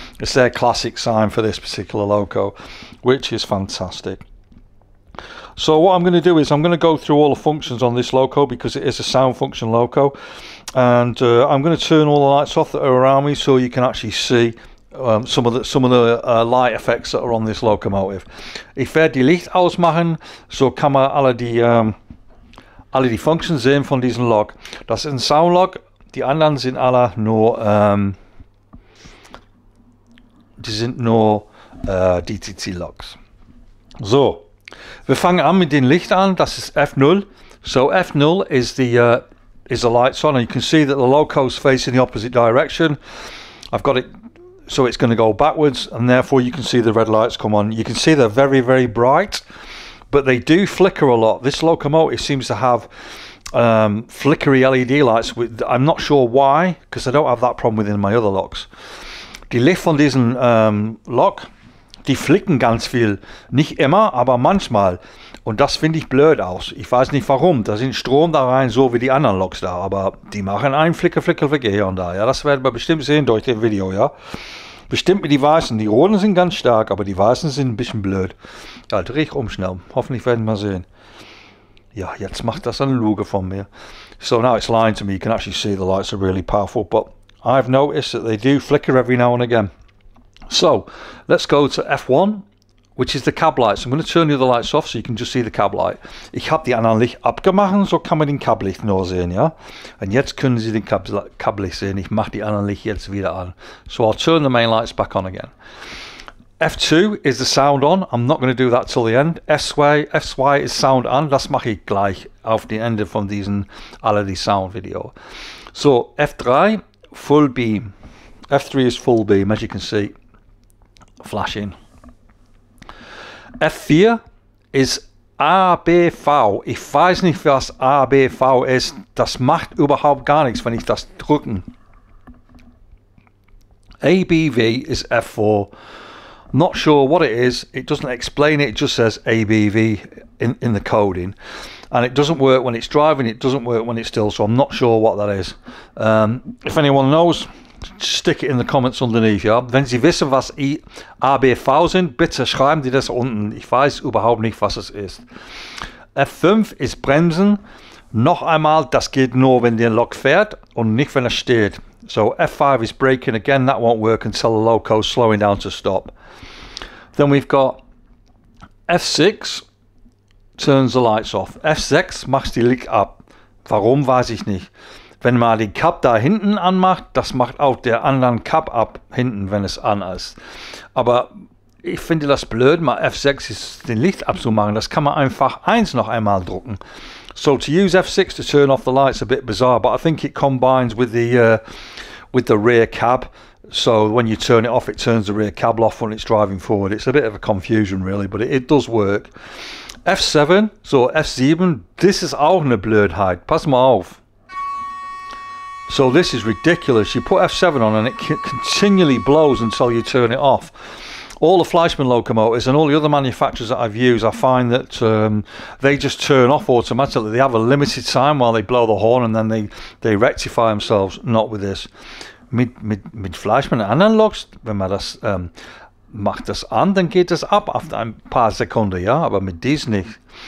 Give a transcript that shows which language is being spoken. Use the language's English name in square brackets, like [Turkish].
[English] It's their classic sign for this particular loco, which is fantastic. So what I'm going to do is I'm going to go through all the functions on this loco because it is a sound function loco. And I'm going to turn all the lights off that are around me so you can actually see some of the light effects that are on this locomotive. [German] If wir die Licht ausmachen, so kann man alle die Funktionen sehen von diesem Lok. Das ist ein Soundlok, die anderen sind alle nur, DCC-Loks. So, wir fangen an mit dem Licht an, das ist F0. [English] So F0 is the lights on, and you can see that the loco is facing the opposite direction. I've got it, so it's going to go backwards, and therefore you can see the red lights come on. You can see they're very, very bright. But they do flicker a lot. This locomotive seems to have flickery LED lights. I'm not sure why, because I don't have that problem within my other locks. [German] Die Licht von diesem Lok, die flicken ganz viel. Nicht immer, aber manchmal. Und das finde ich blöd aus. Ich weiß nicht warum. Da sind Strom da rein, so wie die anderen Loks da. Aber die machen ein Flicker, Flicker, Flicker hier und da. Ja, das werden wir bestimmt sehen durch den Video, ja. Bestimmt mit die Weißen. Die Roten sind ganz stark, aber die Weißen sind ein bisschen blöd. Ja, dreh ich um schnell. Hoffentlich werden wir sehen. Ja, jetzt macht das eine Luge von mir. [English] So now it's lying to me. You can actually see the lights are really powerful, but I've noticed that they do flicker every now and again. So, let's go to F1, which is the cab lights. I'm going to turn the other lights off so you can just see the cab light. [German] Ich habe die anderen Licht abgemacht, so kann man den Cablicht nur sehen, ja? Und jetzt können Sie den Cablicht sehen. Ich mache die anderen Licht jetzt wieder an. [English] So I'll turn the main lights back on again. F2 is the sound on. I'm not going to do that till the end. S-Y is sound on. [German] Das mache ich gleich auf den Ende von diesem LED sound video. [English] So, F3, full beam. F3 is full beam, as you can see. Flashing. F4 is ABV. [German] Ich weiß nicht, was ABV ist. Das macht überhaupt gar nichts, wenn ich das drücke. [English] ABV is F4. Not sure what it is. It doesn't explain it. It just says ABV in the coding. And it doesn't work when it's driving. It doesn't work when it's still. So I'm not sure what that is. If anyone knows, stick it in the comments underneath, ja. [German] Wenn Sie wissen, was ABV sind, bitte schreiben Sie das unten. Ich weiß überhaupt nicht, was es ist. F5 ist Bremsen. Noch einmal, das geht nur, wenn der Lok fährt und nicht, wenn er steht. [English] So F5 is braking. Again, that won't work until the loco is slowing down to stop. Then we've got F6 turns the lights off. [German] F6 macht die Licht ab. Warum, weiß ich nicht. Wenn man den Cap da hinten anmacht, das macht auch der anderen Cap ab hinten, wenn es an ist. Aber ich finde das blöd, mal F6 ist den Licht abzumachen. Das kann man einfach eins noch einmal drucken. [English] So to use F6 to turn off the lights is a bit bizarre, but I think it combines with the rear cab. So when you turn it off, it turns the rear cab off when it's driving forward. It's a bit of a confusion, really, but it does work. F7, so F7, [German] this is auch eine Blödheit. Pass mal auf. [English] So this is ridiculous. You put F7 on and it continually blows until you turn it off. All the Fleischmann locomotives and all the other manufacturers that I've used, I find that they just turn off automatically. They have a limited time while they blow the horn and then they rectify themselves. Not with this. [German] Mit Fleischmann Analogs, wenn man das macht das an, dann geht das ab after ein paar Sekunden, ja, aber mit diesem nicht.